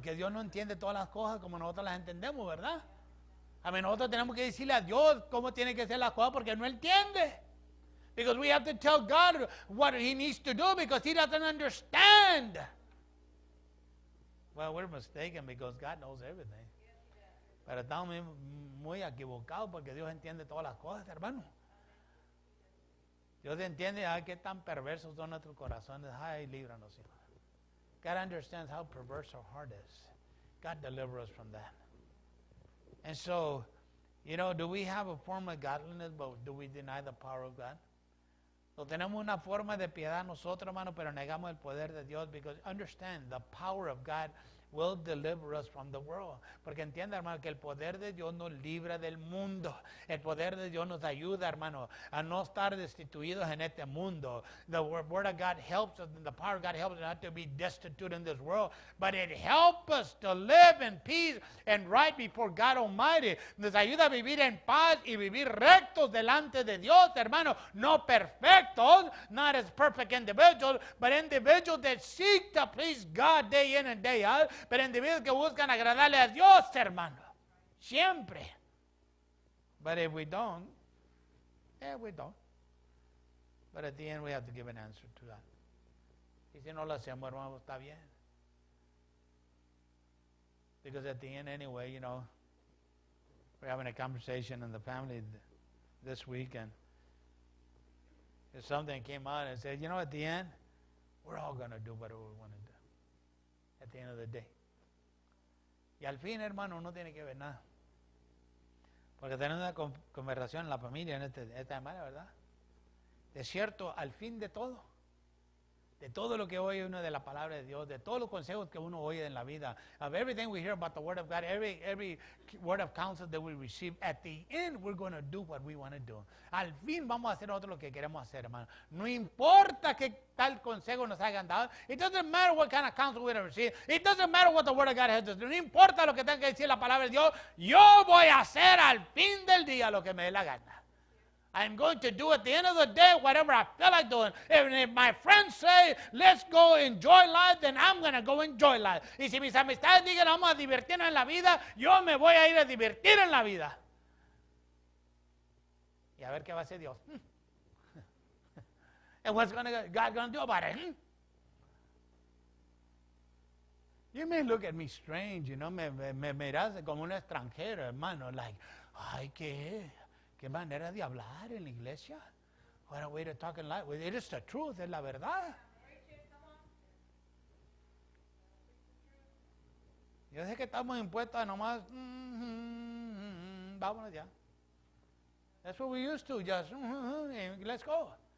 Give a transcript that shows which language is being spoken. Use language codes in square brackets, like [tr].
[es] Que Dios no entiende todas las cosas como nosotros las entendemos, ¿verdad? A mí nosotros tenemos que decirle a Dios cómo tiene que ser las cosas porque no entiende. [en] Because we have to tell God what he needs to do because he doesn't understand. Well, we're mistaken because God knows everything. [es] Pero estamos muy equivocados porque Dios entiende todas las cosas, hermano. Dios entiende, ay, qué tan perversos son nuestros corazones. Ay, líbranos, Señor. [en] God understands how perverse our heart is. God deliver us from that. And so, you know, do we have a form of godliness, but do we deny the power of God? [es] No tenemos una forma de piedad nosotros, hermano, pero negamos el poder de Dios. [en] Because understand, the power of God will deliver us from the world. [es] Porque entiende, hermano, que el poder de Dios nos libra del mundo. El poder de Dios nos ayuda, hermano, a no estar destituidos en este mundo. [en] The word of God helps us, and the power of God helps us not to be destitute in this world, but it helps us to live in peace and right before God Almighty. [es] Nos ayuda a vivir en paz y vivir rectos delante de Dios, hermano. No perfectos, [en] not as perfect individuals, but individuals that seek to please God day in and day out. [es] Pero individuos que buscan agradarle a Dios, hermano, siempre. [en] But if we don't, yeah, we don't. But at the end, we have to give an answer to that. [es] Y si no lo hacemos, hermano, está bien. [en] Because at the end, anyway, you know, we're having a conversation in the family this week, and something came out and said, you know, at the end, we're all going to do whatever we want to do at the end of the day. [es] Y al fin, hermano, no tiene que ver nada. Porque tenemos una conversación en la familia, en esta semana, ¿verdad? De cierto, al fin de todo lo que oye uno de la palabra de Dios, de todos los consejos que uno oye en la vida, [en] of everything we hear about the word of God, every word of counsel that we receive, at the end, we're going to do what we want to do. [es] Al fin, vamos a hacer nosotros lo que queremos hacer, hermano. No importa que tal consejo nos hayan dado. [en] It doesn't matter what kind of counsel we have received. It doesn't matter what the word of God has to do. [es] No importa lo que tenga que decir la palabra de Dios. Yo voy a hacer al fin del día lo que me dé la gana. [en] I'm going to do at the end of the day whatever I feel like doing. And if my friends say, let's go enjoy life, then I'm going to go enjoy life. [es] Y si mis amistades digan, vamos a divertirnos en la vida, yo me voy a ir a divertir en la vida. Y a ver qué va a hacer Dios. [en] And what's God going to do about it? Hmm? You may look at me strange, you know. [es] Me miras como un extranjero, hermano. [en] Like, [es] ay, qué manera de hablar en la iglesia. [en] What a way to talk in life. It is the truth, [es] es la verdad. Yo sé que estamos impuestos a nomás, vámonos ya. [en] That's what we used to, just, let's go.